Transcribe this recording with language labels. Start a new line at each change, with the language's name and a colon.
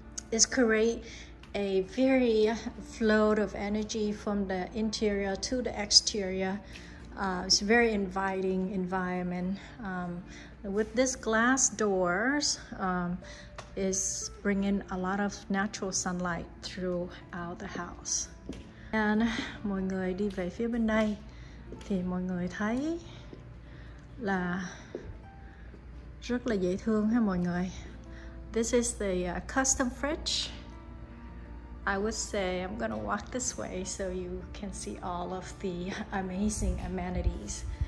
English: It's create a very flow of energy from the interior to the exterior. It's very inviting environment. With this glass doors, is bringing a lot of natural sunlight throughout the house.
Vietnamese: And mọi người đi về phía bên đây thì mọi người thấy là rất là dễ thương ha mọi người.
English: This is the custom fridge. I would say I'm gonna walk this way so you can see all of the amazing amenities.